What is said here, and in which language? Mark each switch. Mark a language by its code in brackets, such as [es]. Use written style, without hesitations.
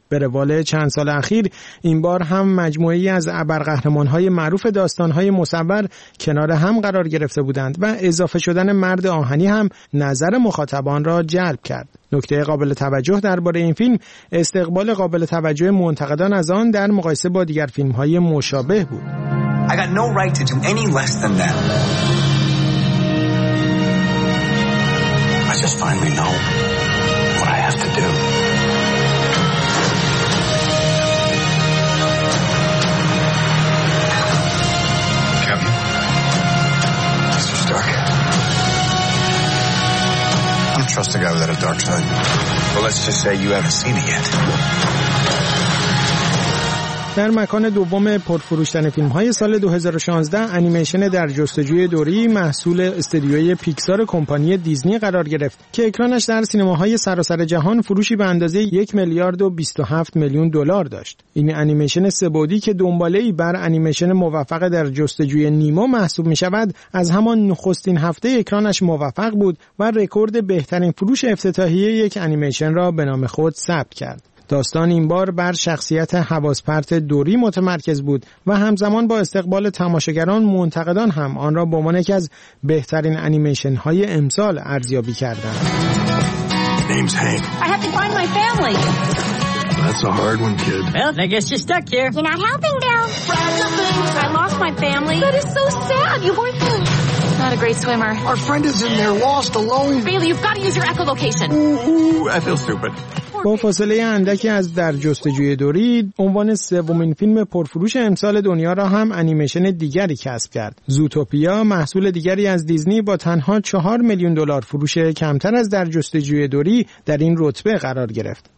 [fa] به روال چند سال اخیر این بار هم مجموعه‌ای از ابرقهرمان‌های معروف داستان‌های مصور کنار هم قرار گرفته بودند و اضافه شدن مرد آهنی هم نظر مخاطبان را جلب کرد. نکته قابل توجه درباره این فیلم استقبال قابل توجه منتقدان از آن در مقایسه با دیگر فیلم‌های مشابه بود. [en] I got no right to do any less than that. I just finally know what I have to do. Captain, Mr. Stark, I don't trust a guy without a dark side. Well, let's just say you haven't seen it yet. [fa] در مکان دوم پرفروشترین فیلم‌های سال 2016 انیمیشن در جستجوی دوری محصول استودیوی پیکسار کمپانی دیزنی قرار گرفت که اکرانش در سینماهای سراسر جهان فروشی به اندازه 1,027,000,000 دلار داشت. این انیمیشن سه‌بعدی که دنباله‌ای بر انیمیشن موفق در جستجوی نیمو محسوب می‌شود، از همان نخستین هفته اکرانش موفق بود و رکورد بهترین فروش افتتاحیه یک انیمیشن را به نام خود ثبت کرد. داستان این بار بر شخصیت حواس‌پرت دوری متمرکز بود و همزمان با استقبال تماشاگران، منتقدان هم آن را به عنوان یکی از بهترین انیمیشن های امسال ارزیابی کردند. [en] Name's Hank. I have to find my family. That's a hard one, kid. Well, I guess you're stuck here. You're not helping, Bill. I lost my family. That is so sad. You weren't good. Not a great swimmer. Our friend is in there lost alone. Bailey, you've got to use your echolocation. Ooh, I feel stupid. [fa] با فاصله اندکی از در جستجوی دوری، عنوان سومین فیلم پرفروش امسال دنیا را هم انیمیشن دیگری کسب کرد. زوتوپیا، محصول دیگری از دیزنی، با تنها 4,000,000 دلار فروش کمتر از در جستجوی دوری در این رتبه قرار گرفت.